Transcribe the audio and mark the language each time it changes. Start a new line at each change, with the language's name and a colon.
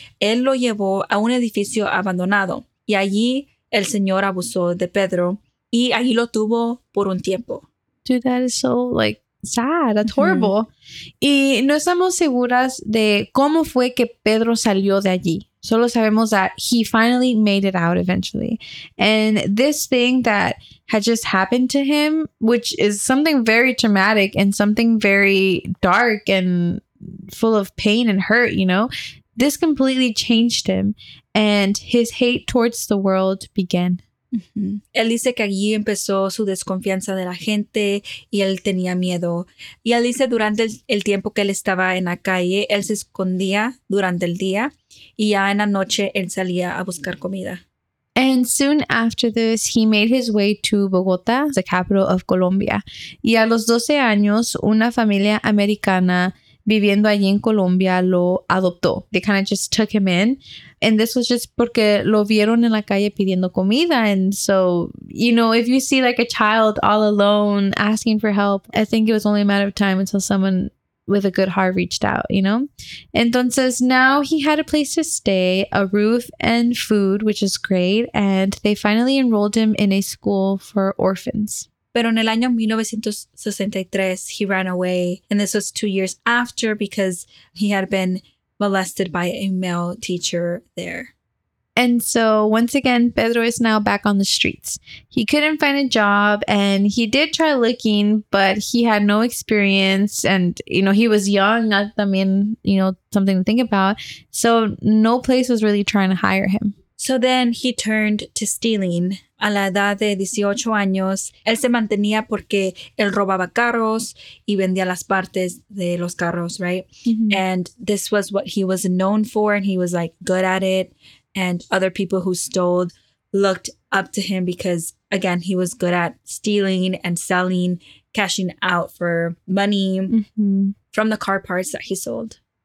Spanish: Él lo llevó a un edificio abandonado y allí el señor abusó de Pedro y allí lo tuvo por un tiempo.
English: Dude, that is so, like... Sad, that's horrible. Mm-hmm.
Spanish: Y no estamos seguras de cómo fue que Pedro salió de allí. Solo sabemos
English: that he finally made it out eventually. And this thing that had just happened to him, which is something very traumatic and something very dark and full of pain and hurt, you know, this completely changed him and his hate towards the world began. Uh-huh.
Spanish: Él dice que allí empezó su desconfianza de la gente y él tenía miedo. Y él dice durante el tiempo que él estaba en la calle, él se escondía durante el día y ya en la noche él salía a buscar comida.
English: And soon after this, he made his way to Bogota, the capital of Colombia.
Spanish: Y a los 12 años, una familia americana viviendo allí en Colombia lo adoptó.
English: They kind of just took him in. And this was just
Spanish: porque lo vieron en la calle pidiendo comida.
English: And so, you know, if you see like a child all alone asking for help, I think it was only a matter of time until someone with a good heart reached out, you know?
Spanish: Entonces,
English: now he had a place to stay, a roof and food, which is great. And they finally enrolled him in a school for orphans.
Spanish: Pero en el año 1963,
English: he ran away. And this was 2 years after because he had been molested by a male teacher there. And so once again, Pedro is now back on the streets. He couldn't find a job and he did try looking, but he had no experience. And, you know, he was young. I mean, you know, something to think about. So no place was really trying to hire him. So then he turned to stealing.
Spanish: A la edad de 18 años, él se mantenía porque él robaba carros y vendía las partes de los carros,
English: right? Mm-hmm. And this was what he was known for, and he was, like, good at it. And other people who stole looked up to him because, again, he was good at stealing and selling, cashing out for money mm-hmm. from the car parts that he sold.